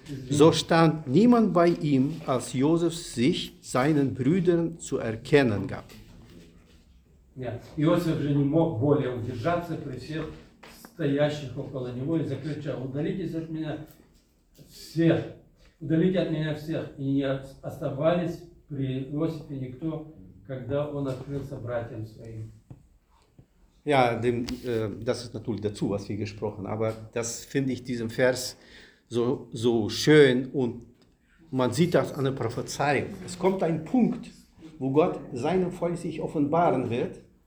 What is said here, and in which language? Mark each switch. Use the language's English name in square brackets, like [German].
[German] So stand niemand bei ihm, als Josef sich seinen Brüdern zu erkennen gab. [Russian] Josef же не мог более удержаться при всех стоящих около него и закричал, удалитесь от меня всех, удалите от меня всех. И не оставались при Иосифе никто, когда он открылся братьям своим. [German] Ja, dem, das ist natürlich dazu, was wir gesprochen haben, aber das finde ich diesem Vers so, so schön und man sieht das an der Prophezeiung. Es kommt ein Punkt, wo Gott seinem Volk sich offenbaren wird.